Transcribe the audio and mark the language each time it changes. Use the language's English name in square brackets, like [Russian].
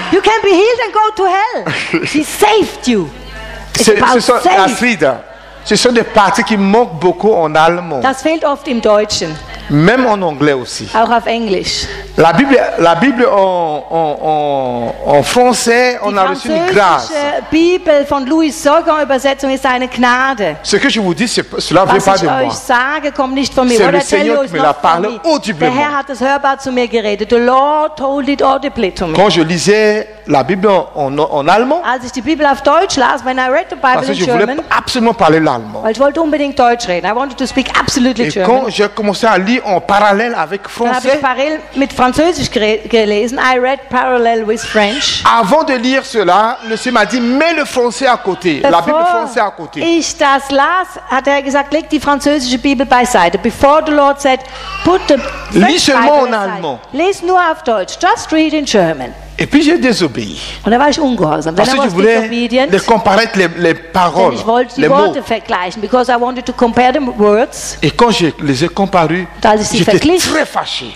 [English] You can be healed and go to hell. He saved you. It's about save. [French] Astrid, ce sont des parties qui manquent beaucoup en allemand. [German] Das fehlt oft im Deutschen. [French] Même en anglais aussi. [German] Auch auf Englisch. [French] La Bible en français, [German] die [French] on a reçu une grâce. [German] Die Bibel von Louis Segon Übersetzung ist eine Gnade. [French] Ce que je vous dis, cela vient pas de moi. [German] Was ich euch sage, kommt nicht von mir. [French] C'est le Seigneur qui me l'a parlé audiblement. [German] Der Herr hat es hörbar zu mir geredet. [English] The Lord told it audibly to me. [French] Quand je lisais la Bible en allemand. [German] Als ich die Bibel auf Deutsch las, [English] when I read the Bible in German. [French] Parce que je voulais absolument parler l'allemand. [German] Weil ich wollte unbedingt Deutsch reden. [English] I wanted to speak absolutely German. [French] Et quand j'ai commencé à lire en parallèle avec français. [German] Dann habe ich mit Französisch gelesen. [English] I read parallel with French. [French] Avant de lire cela, le Seigneur m'a dit, mets le français à côté. [English] Before [French] la Bible française à côté. [German] Ich das las, hat er gesagt, leg die französische Bibel beiseite. [English] Before the Lord said, put the [French] lis seulement en allemand. [German] Lies nur auf Deutsch. [English] Just read in German. [French] Et puis j'ai désobéi. [German] Und dann war ich ungehorsam. [French] Parce que je voulais les comparer les paroles, [German] ich wollte die [French] les [German] Worte [French] mots. [German] Vergleichen, [English] because I wanted to compare the words. [French] Et quand je les ai comparus, j'étais très fâché.